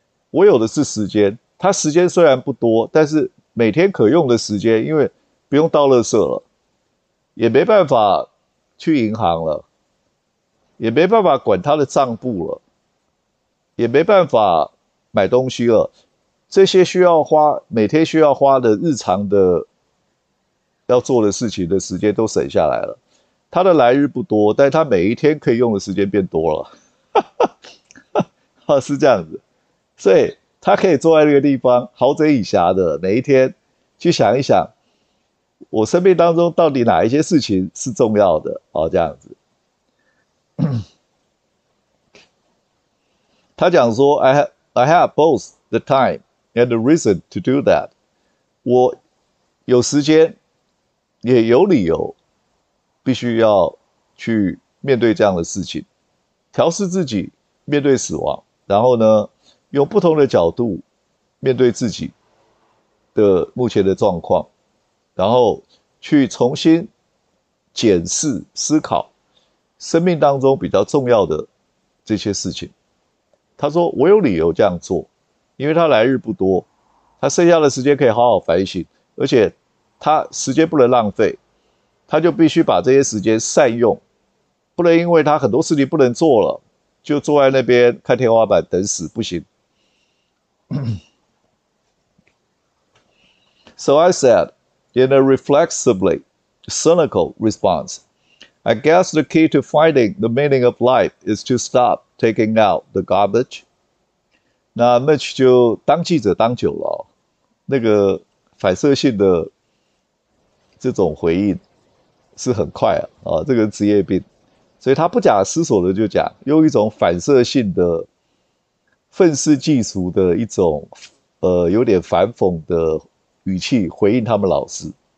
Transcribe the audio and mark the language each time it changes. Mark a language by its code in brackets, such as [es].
[zh] 我有的是时间，它时间虽然不多，但是每天可用的时间，因为不用倒垃圾了，也没办法去银行了，也没办法管他的账簿了，也没办法买东西了，这些需要花，每天需要花的日常的要做的事情的时间都省下来了，他的来日不多，但他每一天可以用的时间变多了，是这样子。所以他可以坐在那个地方，豪宅以暇的，每一天去想一想，我生命当中到底哪一些事情是重要的？哦，这样子。他讲说：“ [en] I have both the time and the reason to do that。 [zh] 我有时间，也有理由，必须要去面对这样的事情，调试自己，面对死亡。然后呢？” 用不同的角度面对自己的目前的状况，然后去重新检视、思考生命当中比较重要的这些事情。他说：“我有理由这样做，因为他来日不多，他剩下的时间可以好好反省，而且他时间不能浪费，他就必须把这些时间善用，不能因为他很多事情不能做了，就坐在那边看天花板等死，不行。” [en] So I said, in a reflexively cynical response, I guess the key to finding the meaning of life is to stop taking out the garbage. [zh] 那 Mitch 就当记者当久了，那个反射性的这种回应是很快啊，这个职业病，所以他不假思索的就讲，用一种反射性的愤世嫉俗的一种，有点反讽的语气回应他们老师，